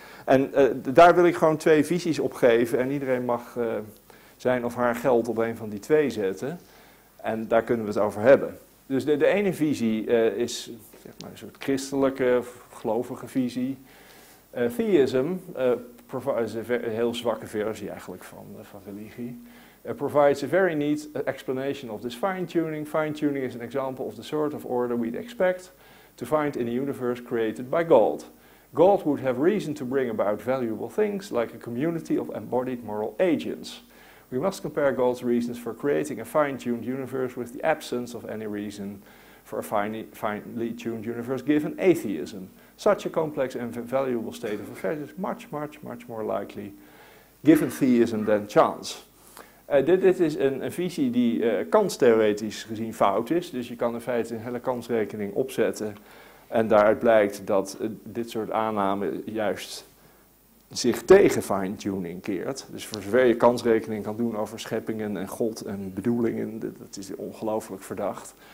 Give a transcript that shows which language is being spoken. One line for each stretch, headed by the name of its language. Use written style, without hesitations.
Dutch: En daar wil ik gewoon twee visies op geven. En iedereen mag zijn of haar geld op een van die twee zetten. En daar kunnen we het over hebben. Dus de ene visie is zeg maar een soort christelijke, gelovige visie. Theism is een heel zwakke versie eigenlijk van religie.
English: It provides a very neat explanation of this fine-tuning. Fine-tuning is an example of the sort of order we'd expect to find in a universe created by God. God would have reason to bring about valuable things like a community of embodied moral agents. We must compare God's reasons for creating a fine-tuned universe with the absence of any reason for a finely tuned universe given atheism. Such a complex and valuable state of affairs is much, much, much more likely given theism than chance.
Dutch: Dit is een visie die kanstheoretisch gezien fout is. Dus je kan in feite een hele kansrekening opzetten. En daaruit blijkt dat dit soort aanname juist zich tegen fine-tuning keert. Dus voor zover je kansrekening kan doen over scheppingen en God en bedoelingen, dat is ongelooflijk verdacht.